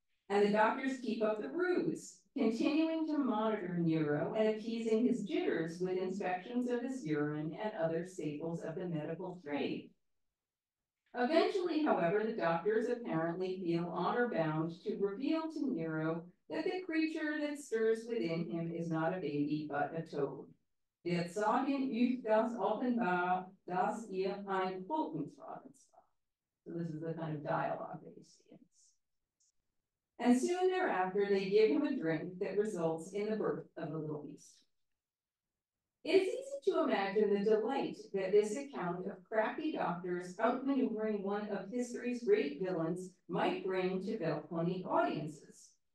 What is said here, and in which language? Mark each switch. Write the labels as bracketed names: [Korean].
[English] And the doctors keep up the ruse, continuing to monitor Nero and appeasing his jitters with inspections of his urine and other staples of the medical trade. Eventually, however, the doctors apparently feel honor-bound to reveal to Nero that the creature that stirs within him is not a baby, but a toad. [German] Wir sagen euch das offenbar, dass ihr ein Totenfrauen seid. [English] So this is the kind of dialogue that you see. And soon thereafter, they give him a drink that results in the birth of the little beast. It's easy to imagine the delight that this account of crafty doctors outmaneuvering one of history's great villains might bring to Belconi audiences.